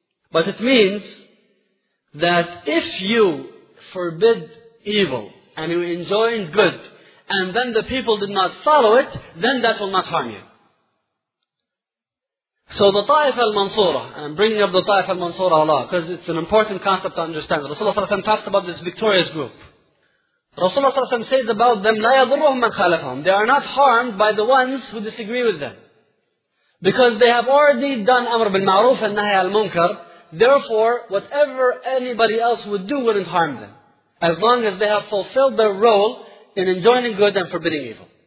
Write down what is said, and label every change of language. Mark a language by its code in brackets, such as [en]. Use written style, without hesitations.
[en] But it means that if you forbid evil and you enjoin good, and then the people did not follow it, then that will not harm you. So the Ta'if al-Mansurah, and I'm bringing up the Ta'if al-Mansurah a lot, because it's an important concept to understand. Rasulullah ﷺ talks about this victorious group. Rasulullah ﷺ says about them, [ar] لَا يَضُرُّهُمْ مَنْ خَالَفَهُمْ. [en] They are not harmed by the ones who disagree with them. Because they have already done Amr bil Ma'ruf and Nahi al-Munkar, Therefore, whatever anybody else would do wouldn't harm them, as long as they have fulfilled their role in enjoining good and forbidding evil.